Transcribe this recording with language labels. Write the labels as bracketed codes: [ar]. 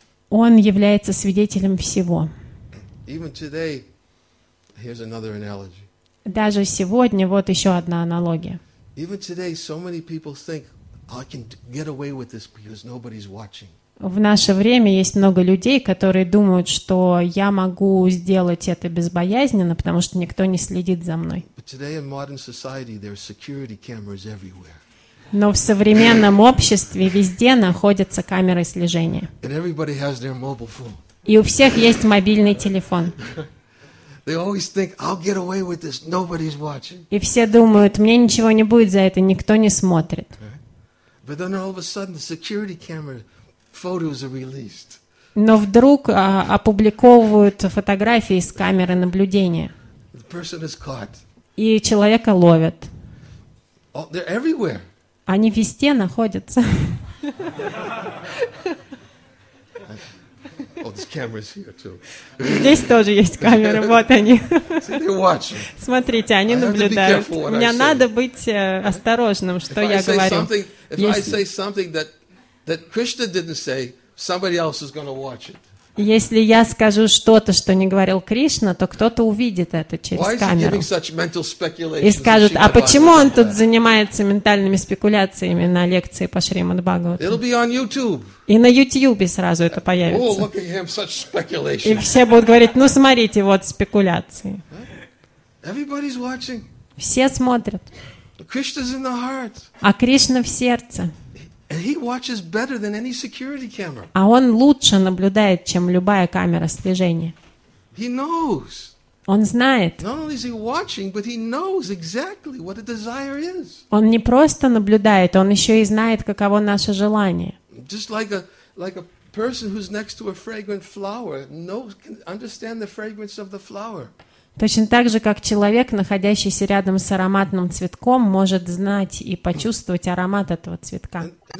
[ru] Он является свидетелем всего. [en] Even today, here's another analogy. [ru] Даже сегодня вот еще одна аналогия. [en] Even today, so many people think I can get away with this because nobody's watching. [ru] В наше время есть много людей, которые думают, что я могу сделать это безбоязненно, потому что никто не следит за мной. [en] But today in modern society, there are security cameras everywhere. [ru] Но в современном обществе везде находятся камеры слежения. [en] And everybody has their mobile phone. [ru] И у всех есть мобильный телефон. [en] They always think, I'll get away with this. Nobody's watching. [ru] И все думают, мне ничего не будет за это, никто не смотрит. [en] But then all of a sudden, the security camera photos are released. [ru] Но вдруг опубликовывают фотографии с камеры наблюдения. [en] The person is caught. [ru] И человека ловят. [en] Oh, they're everywhere. [ru] Они везде находятся. [en] Oh, this camera's here too. [ru] Здесь тоже есть камеры, вот они. [en] See, they're watching. [ru] Смотрите, они наблюдают. Мне надо быть осторожным, что я говорю. [en] If I say something that Krishna didn't say, somebody else is going to watch it. [ru] Если я скажу что-то, что не говорил Кришна, то кто-то увидит это через камеру. И скажут, а почему он тут занимается ментальными спекуляциями на лекции по Шримад Бхагавату? И на Ютьюбе сразу это появится. [en] Oh, him, such speculation. [ru] И все будут говорить, ну смотрите, вот спекуляции. [en] Everybody's watching. [ru] Все смотрят. [en] Krishna's in the heart. [ru] А Кришна в сердце. [en] And he watches better than any security camera. [ru] А он лучше наблюдает, чем любая камера слежения. [en] He knows. [ru] Он знает. [en] Not only is he watching, but he knows exactly what a desire is. [ru] Он не просто наблюдает, он еще и знает, каково наше желание. [en] Just like a person who's next to a fragrant flower knows, can understand the fragrance of the flower. [ru] Точно так же, как человек, находящийся рядом с ароматным цветком, может знать и почувствовать аромат этого цветка.